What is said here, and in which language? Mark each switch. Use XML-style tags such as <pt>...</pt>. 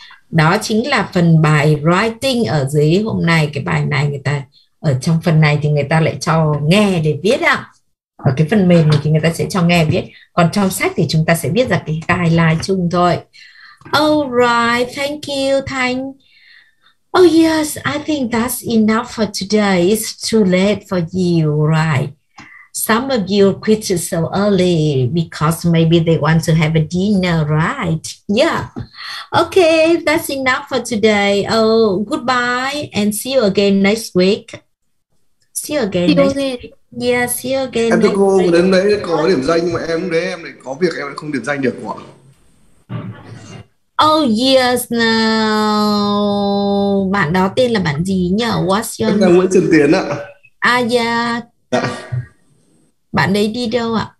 <vi>Đó chính là phần bài writing ở dưới hôm nay. Cái bài này người ta ở trong phần này thì người ta lại cho nghe để viết ạ. Ở cái phần mềm thì người ta sẽ cho nghe viết. Còn trong sách thì chúng ta sẽ viết ra cái guideline chung thôi.</vi> <en>Alright, thank you, Thanh. Oh yes, I think that's enough for today. It's too late for you, right? Some of you quit so early because maybe they want to have a dinner, right? Yeah. Okay, that's enough for today. Oh, goodbye and see you again next week. See you again next week. Yeah, see you again.</en> <vi>Em thưa cô, đến đấy có điểm danh nhưng mà em đấy em lại có việc em lại không điểm danh được ạ.</vi> <en>Oh yes, now</en> <vi>bạn đó tên là bạn gì nhỉ?</vi> <en>What's your name? Nguyễn Trần Tiến ạ.</en> <vi>À yeah. Dạ. Bạn đấy đi đâu ạ?</vi>